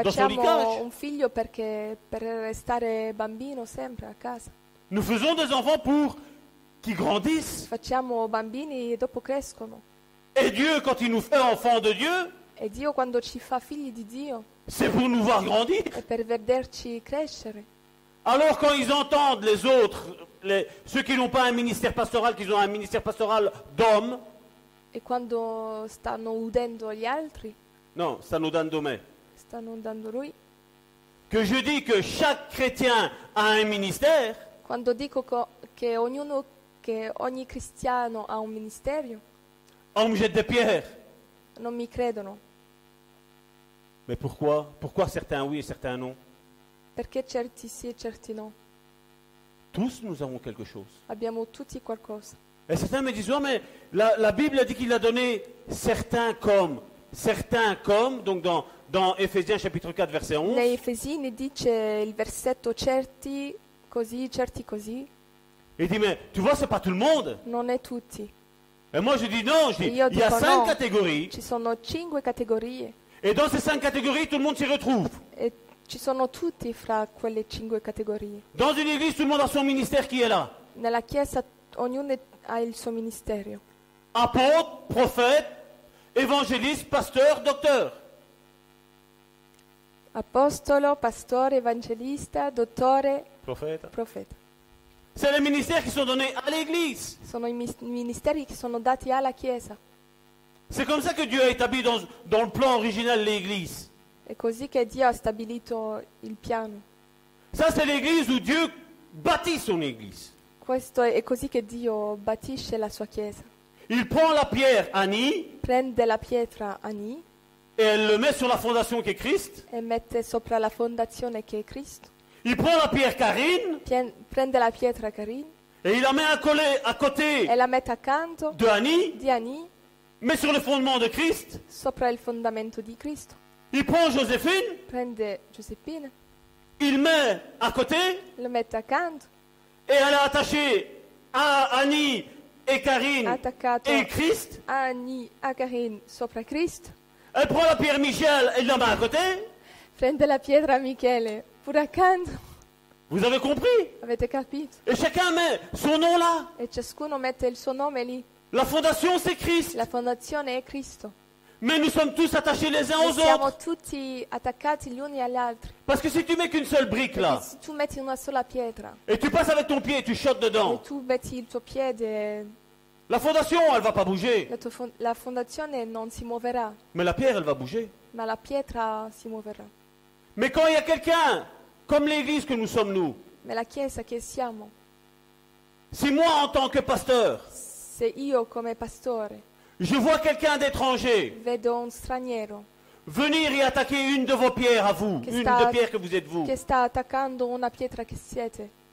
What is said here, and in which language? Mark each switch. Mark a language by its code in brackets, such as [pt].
[it] licage. Non facciamo un figlio perché per restare bambino sempre a casa. [fr] Nous faisons des enfants pour qu'ils grandissent. [it] Facciamo bambini e dopo crescono. [fr] Et Dieu quand il nous fait enfants de Dieu. [it] E Dio quando ci fa figli di Dio. [fr] C'est pour nous voir grandir. [it] È per vederci crescere. [fr] Alors quand ils entendent les autres. Ceux qui n'ont pas un ministère pastoral, qui ont un ministère pastoral d'homme. [it] Et quando stanno udendo gli altri. Non, stanno udendo me. Stanno udendo lui. [fr] Que je dis que chaque chrétien a un ministère. [it] Quando dico che ognuno, che ogni cristiano ha un ministerio. [fr] On me jette des pierres. [it] Non mi credono. [fr] Mais pourquoi? Pourquoi certains oui et certains non? [it] Perché certi sì e certi no? [fr] Tous nous avons quelque chose. [it] Abbiamo tutti qualcosa. [fr] Et certains me disent, oh, mais la Bible a dit qu'il a donné certains comme. Certains comme, donc dans Ephésiens chapitre 4, verset 11. [it] Nei Efesini dice il versetto certi, così, certi, così. [fr] Il dit, mais tu vois, c'est pas tout le monde. [it] Non è tutti. [fr] Et moi je dis, non, je dis, il y a cinq catégories. [it] Ci sono cinque categorie. [fr] Et dans ces cinq catégories, tout le monde s'y retrouve. [it] Ci sono tutti fra quelle cinque categorie. [fr] Dans une église, tout le monde a son ministère qui est là. [it] Nella chiesa ognuno ha il suo ministerio. [fr] Apôtre, prophète, évangéliste, pasteur, docteur. [it] Apostolo, pastore, evangelista, dottore, profeta. [fr] C'est les ministères qui sont donnés à l'église. [it] Sono i ministeri che sono dati alla chiesa. [fr] C'est comme ça que Dieu a établi dans le plan originel l'église. [it] È così che Dio ha stabilito il piano. [fr] Ça, c'est l'église où Dieu bâtit son église. [it] Questo è così che Dio battisce la sua chiesa. [fr] Il prend la pierre Annie. [it] Prende della pietra Annie. [fr] Et elle le met sur la fondation qui est Christ. [it] E mette sopra la fondazione che è Cristo. [fr] Il prend la pierre Karine. [it] Prende la pietra Karine. [fr] Et il la met à côté. [it] E la mette accanto. [fr] De Annie. [it] Di Annie. [fr] Mais sur le fondement de Christ. [it] Sopra il fondamento di Cristo. [fr] Il prend Joséphine. [it] Prende Giuseppina. [fr] Il met à côté. [it] Le mette accanto. [fr] Et elle est attachée à Annie et Karine. [it] Attaccato [fr] et Christ. [it] A Annie, a Karine, sopra Christ. [fr] Elle prend la pierre Michel et la met à côté. [it] Prende la pietra Michele, pure accanto. [fr] Vous avez compris? [it] Avete capito? [fr] Et chacun met son nom là. [it] E ciascuno mette il suo nome lì. [fr] La fondation c'est Christ. [it] La fondazione è Cristo. [fr] Mais nous sommes tous attachés les uns aux [it] siamo [fr] autres. [it] Tutti attaccati gli uni agli altri. [fr] Parce que si tu mets qu'une seule brique là. [it] Se tu metti una sola pietra. [fr] Et tu passes avec ton pied et tu chottes dedans. [it] E tu metti il tuo piede. [fr] La fondation, elle va pas bouger. [it] La fondazione non si muoverà. [fr] Mais la pierre, elle va bouger. [it] Ma la pietra si muoverà. [fr] Mais quand il y a quelqu'un comme l'église que nous sommes nous. [it] Ma la chiesa che siamo. [fr] Si moi en tant que pasteur. [it] Se io come pastore. [fr] Je vois quelqu'un d'étranger. [it] Vedo un straniero. [fr] Venir y attaquer une de vos pierres à vous, [it] che [fr] une [it] sta, [fr] de pierres que vous êtes vous. [it] Che sta attaccando una pietra che siete.